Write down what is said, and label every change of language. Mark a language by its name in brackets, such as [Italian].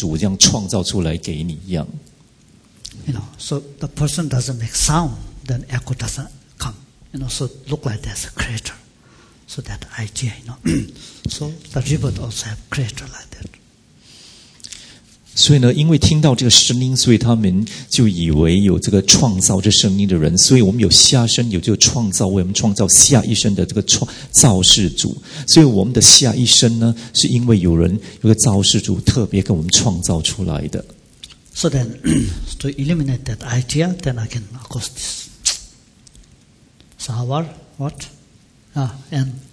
[Chinese] 就是说当我们听到回音的时候呢，这个回音的出现是因为有发声的人，对吗？所以有人就觉得，如果有下一生的话，这肯定有创造的下一生的人。这个创造下一生的创造的，好像那个创造世主这样创造出来给你一样。 [English] You know, so the person doesn't make sound, then echo doesn't come. You know, so look like there's a creator. So that idea, you know. So the rebirth also have creator like that. [Chinese] 所以呢，因为听到这个声音，所以他们就以为有这个创造这声音的人。所以我们有下生，有就创造为我们创造下一生的这个造世主。所以我们的下一生呢，是因为有人有个造世主特别给我们创造出来的。 [English] So then, to eliminate that idea, then I can, of course, this. Sour, what? And.